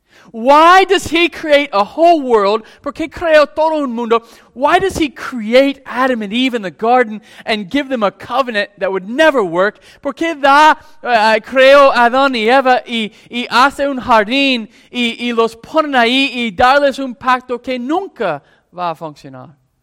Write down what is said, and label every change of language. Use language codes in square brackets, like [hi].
[en] Why does he create a whole world? [es] ¿Por qué creó todo un mundo? [en] Why does he create Adam and Eve in the garden and give them a covenant that would never work? [es] ¿Por qué da creó Adán y Eva y hace un jardín y los ponen ahí y darles un pacto que nunca va a funcionar?